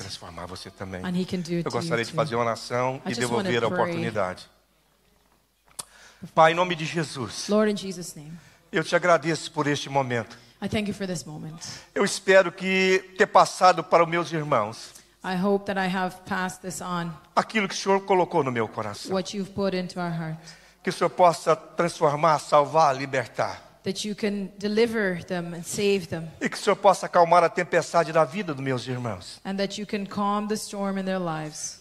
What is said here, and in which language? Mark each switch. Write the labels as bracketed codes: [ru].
[pt] Transformar você também. [en] And he can do it [pt] Eu gostaria [en] to [pt] de fazer uma oração e devolver a oportunidade. Pai, em nome de Jesus. [en] Lord, in Jesus' name. [pt] Eu te agradeço por este momento. [en] I thank you for this moment. [pt] Eu espero que ter passado para os meus irmãos. [en] I hope that I have passed this on. [pt] Aquilo que o Senhor colocou no meu coração. [en] What you've put into our heart. [pt] Que o Senhor possa transformar, salvar, libertar. [en] That you can deliver them and save them. [pt] E que o Senhor possa acalmar a tempestade da vida dos meus irmãos. [en] And that you can calm the storm in their lives.